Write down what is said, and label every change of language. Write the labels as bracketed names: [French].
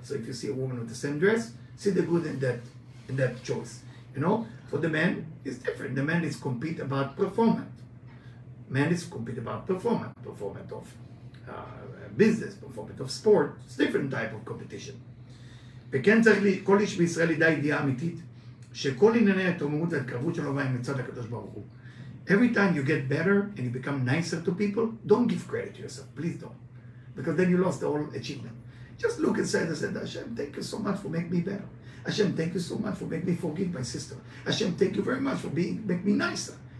[English] So if you see a woman with the same dress, see the good in that choice. You know, for the man, it's different. The man is compete about performance. Man is compete about performance of business, but for a bit of sport, it's a different type of competition. [Hebrew] וכן צריך כל איש בישראל ידע ידיעה אמיתית שכל ענייני התרומות והתקרבות שלו מהם מצד הקדוש ברוך הוא. [English] Every time you get better and you become nicer to people, don't give credit to yourself, please don't. Because then you lost the whole achievement. Just look inside and say, Hashem, thank you so much for making me better. Hashem, thank you so much for making me forgive my sister. Hashem, thank you very much for being make me nicer.